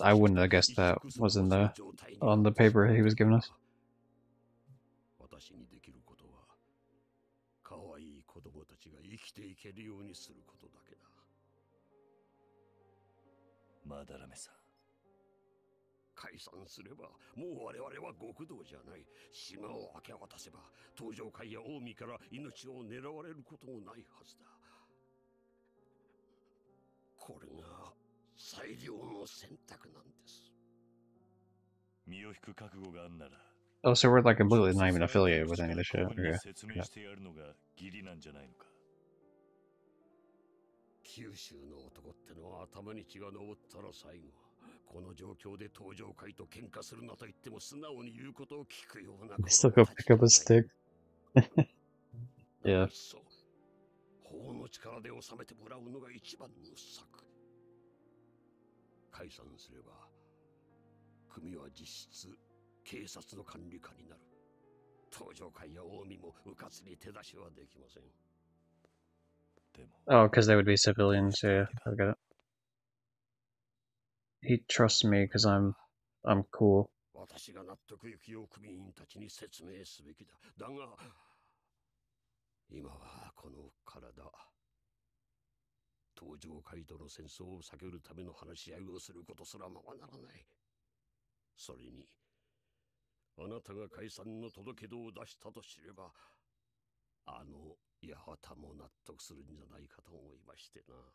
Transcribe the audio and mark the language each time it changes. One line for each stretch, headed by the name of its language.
English: I wouldn't have guessed that was in the on the paper he was giving us.
Japanese: 私にできることは可愛い子供たちが生きていけるようにすることだけだ。マダラメさん、解散すればもう我々は極道じゃない。島を明け渡せば東条会や近江から命を狙われることもないはずだ。これが最良の選択なんです。身を引く覚悟があんなら。
English: Oh, so we're like completely not even affiliated with any of this shit. Okay.
Japanese: 説明してやるのが義理なんじゃないのか。九州の男ってのは頭に血が上ったら最後、この状況で登場会と喧嘩するなと言っても素直に言うことを聞くようなこと。
English: Still go pick up a stick. Yeah.
Japanese: 法の力で収めてもらうのが一番の策。解散すれば組は実質警察の管理下になる。東条会や近江も迂闊に手出しはできません。でも
English: Oh, because they would be civilians. Yeah, I get it. He trusts me because I'm cool.
Japanese: 私が納得いくよう組員たちに説明すべきだ。だが今はこの体、東条会との戦争を避けるための話し合いをすることすらままならない。それに、あなたが解散の届け出を出したと知れば、あの八幡も納得するんじゃないかと思いましてな。